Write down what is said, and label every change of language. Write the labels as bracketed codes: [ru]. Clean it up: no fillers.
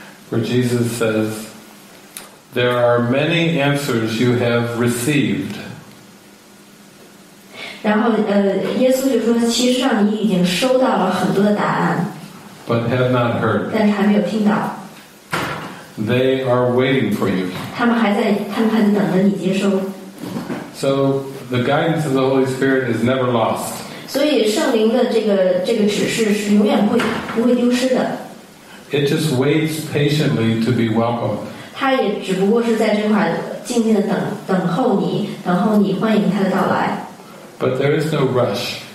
[en] where Jesus says there are many answers you have received [zh] 然后耶稣就说其实上你已经收到了很多的答案 [en] but have not heard [zh] 但是还没有听到 [en] they are waiting for you [zh] 他们还在等着你接收 [en] so the guidance of the Holy Spirit is never lost [zh] 所以圣灵的这个指示是永远不会丢失的。 [en] It just waits patiently to be welcomed. [zh] 他也只不过是在这块静静的等候你欢迎他的到来。 [en] But there is no rush.